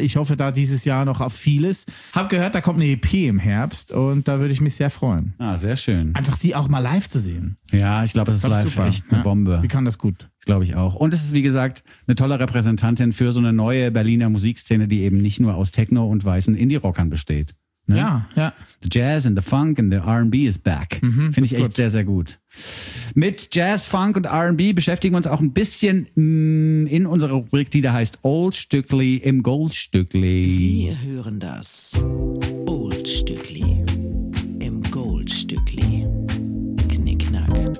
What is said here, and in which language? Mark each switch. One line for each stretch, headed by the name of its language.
German: Ich hoffe da dieses Jahr noch auf vieles. Hab gehört, da kommt eine EP im Herbst und da würde ich mich sehr freuen. Ah, sehr schön. Einfach sie auch mal live zu sehen. Ja, ich glaube, es ist live super. Echt eine ja. Bombe. Wie kann das gut? Glaube ich auch. Und es ist, wie gesagt, eine tolle Repräsentantin für so eine neue Berliner Musikszene, die eben nicht nur aus Techno und weißen Indie-Rockern besteht. Ne? Ja, ja.
English: The Jazz and the Funk and the R&B is back. Mhm,
German: finde ich echt gut. Sehr, sehr gut. Mit Jazz, Funk und R&B beschäftigen wir uns auch ein bisschen in unserer Rubrik, die da heißt Old Stückli im Goldstückli. Sie hören das Old Stückli im Goldstückli. Knickknack.